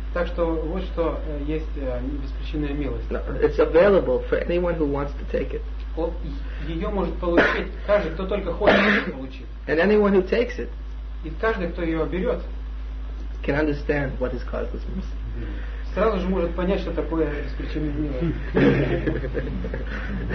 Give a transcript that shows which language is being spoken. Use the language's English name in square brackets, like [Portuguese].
[Russian] Так что вот что есть беспричинная милость. [English] It's available for anyone who wants to take it. [Russian] Ее может получить каждый, кто только хочет ее получить. [English] And anyone who takes it, [Russian] и каждый, кто ее берет, [English] can understand what is causeless mercy. [Russian] Сразу же может понять, что такое беспричинная милость.